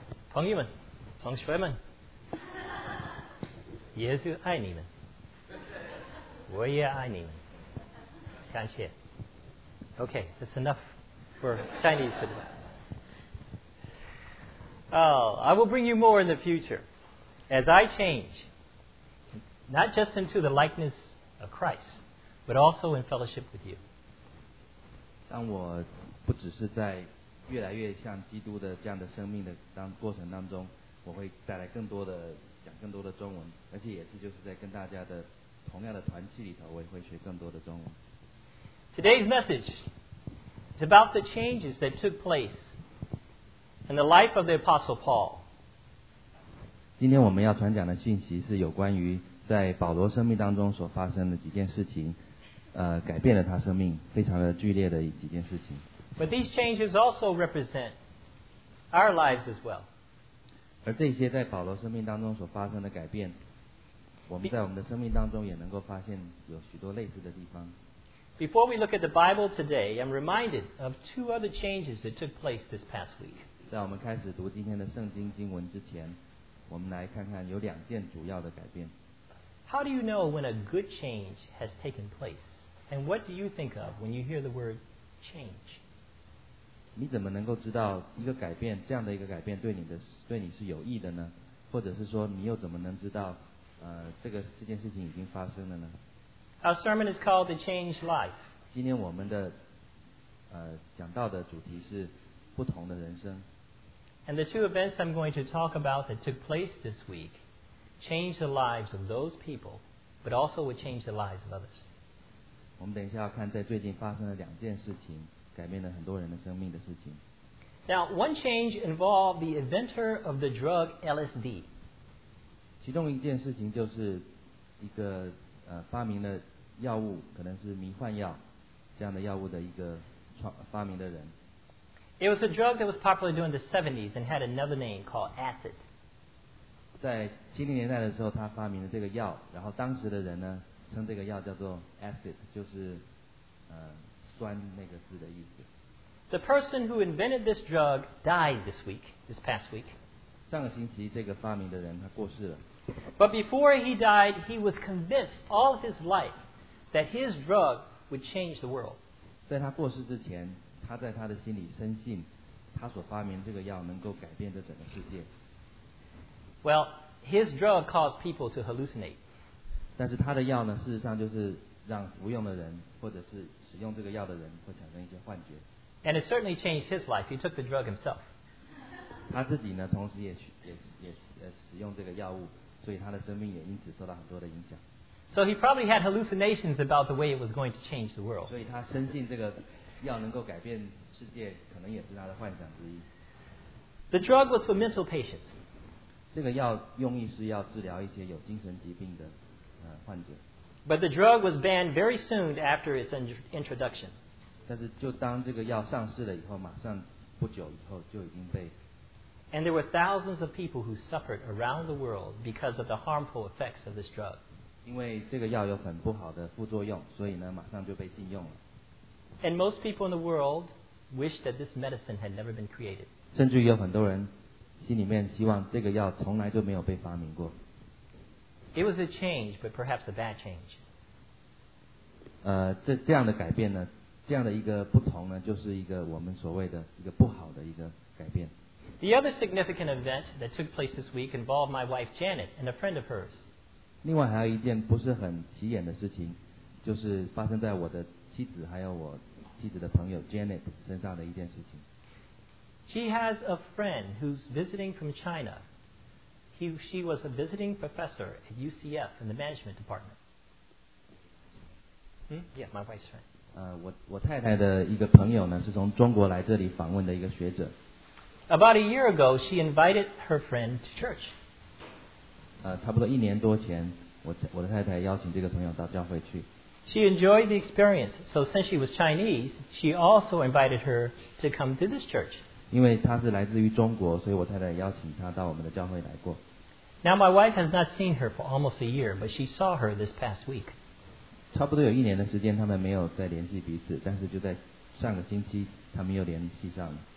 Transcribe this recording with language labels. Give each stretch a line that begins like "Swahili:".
Chinese: 朋友们，同学们，耶稣爱你们，我也爱你们，感谢。
English: OK, that's enough for Chinese today. Oh, I will bring you more in the future as I change, not just into the likeness of Christ, but also in fellowship with you.
Chinese: 当我不只是在越来越像基督的这样的生命的当过程当中，我会带来更多的讲更多的中文，而且也是就是在跟大家的同样的团契里头，我也会学更多的中文。
English: Today's message is about the changes that took place in the life of the Apostle Paul.
Chinese: 今天我们要传讲的信息是有关于在保罗生命当中所发生的几件事情，改变了他生命非常的剧烈的几件事情。
English: But these changes also represent our lives as well.
Chinese: 而这些在保罗生命当中所发生的改变，我们在我们的生命当中也能够发现有许多类似的地方。
English: Before we look at the Bible today, I'm reminded of two other changes that took place this past week.
Chinese: 在我们开始读今天的圣经经文之前，我们来看看有两件主要的改变。
English: How do you know when a good change has taken place? And what do you think of when you hear the word change?
Chinese: 你怎么能够知道一个改变，这样的一个改变对你是有益的呢？或者是说你又怎么能知道，这件事情已经发生了呢？
English: Our sermon is called The Changed Life.
Chinese: 今天我们的讲到的主题是不同的人生。
English: And the two events I'm going to talk about that took place this week changed the lives of those people, but also would change the lives of others.
Chinese: 我们等一下要看在最近发生了两件事情，改变了很多人的生命的事情。
English: Now, one change involved the inventor of the drug LSD.
Chinese: 其中一件事情就是一个发明了药物，可能是迷幻药这样的药物的一个发明的人。
English: It was a drug that was popular during the 70s and had another name called acid.
Chinese: 在70年代的时候，他发明了这个药，然后当时的人呢，称这个药叫做 acid， 就是酸那个字的意思。
English: The person who invented this drug died this past week.
Chinese: 上个星期，这个发明的人他过世了。
English: But before he died, he was convinced all of his life that his drug would change the world.
Chinese: 在他过世之前，他在他的心里深信，他所发明这个药能够改变这整个世界。
English: Well, his drug caused people to hallucinate.
Chinese: 但是他的药呢，事实上就是让服用的人或者是使用这个药的人会产生一些幻觉。
English: And it certainly changed his life. He took the drug himself.
Chinese: 他自己呢，同时也使用这个药物，所以他的生命也因此受到很多的影响。
English: So he probably had hallucinations about the way it was going to change the world.
Chinese: 所以他深信这个药能够改变世界，可能也是他的幻想之一。
English: The drug was for mental patients.
Chinese: 这个药用意是要治疗一些有精神疾病的患者。
English: But the drug was banned very soon after its introduction.
Chinese: 但是就当这个药上市了以后，马上不久以后就已经被。
English: And there were thousands of people who suffered around the world because of the harmful effects of this drug.
Chinese: 因为这个药有很不好的副作用，所以呢，马上就被禁用了。
English: And most people in the world wished that this medicine had never been created.
Chinese: 甚至于有很多人心里面希望这个药从来就没有被发明过。
English: It was a change, but perhaps a bad change.
Chinese: 这样的改变呢，这样的一个不同呢，就是一个我们所谓的一个不好的一个改变。
English: The other significant event that took place this week involved my wife Janet and a friend of hers.
Chinese: 另外还有一件不是很起眼的事情，就是发生在我的妻子还有我妻子的朋友 Janet 身上的一件事情。
English: She has a friend who's visiting from China. She was a visiting professor at UCF in the management department. Yeah, my wife's friend.
Chinese: 我太太的一个朋友呢，是从中国来这里访问的一个学者。
English: About a year ago, she invited her friend to church.
Chinese: 差不多一年多前，我的太太邀请这个朋友到教会去。
English: She enjoyed the experience, so since she was Chinese, she also invited her to come to this church.
Chinese: 因为她是来自于中国，所以我太太邀请她到我们的教会来过。
English: Now my wife has not seen her for almost a year, but she saw her this past week.
Chinese: 差不多有一年的时间，他们没有再联系彼此，但是就在上个星期，他们又联系上了。